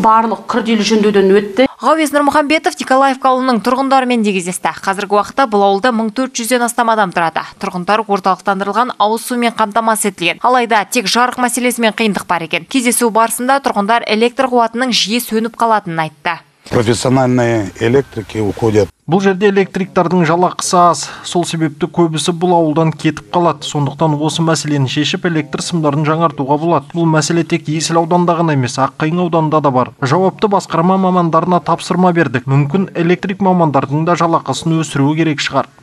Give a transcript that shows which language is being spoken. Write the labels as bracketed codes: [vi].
[kk] Барлық күрделі жөндеуден өтті. Ғауез Нұрмұхамбетов Николаевка ауылының тұрғындарымен де кездесті. Қазіргі уақытта бұл ауылда 1400-ден астам адам тұрады. Тұрғындар орталықтандырылған ауыз сумен қамтамасыз етілген. Алайда тек жарық мәселесімен қиындық бар екен. Кездесу барысында тұрғындар электр қуатының жиі сөніп қалатынын айтты. [ru] Профессиональные электрики уходят. [kk] Бұл жерде электриктардың жалақысы аз. Сол себепті көбісі бұл ауылдан кетіп қалады. Сондықтан осы мәселені шешіп электр сымдарын жаңартуға болады. Бұл мәселе тек Есіл ауданында ғана емес, Аққайың ауданында да бар. Жауапты басқарма мамандарына тапсырма бердік. Мүмкін электрик мамандардың да жалақысын өсіруі керек шығар.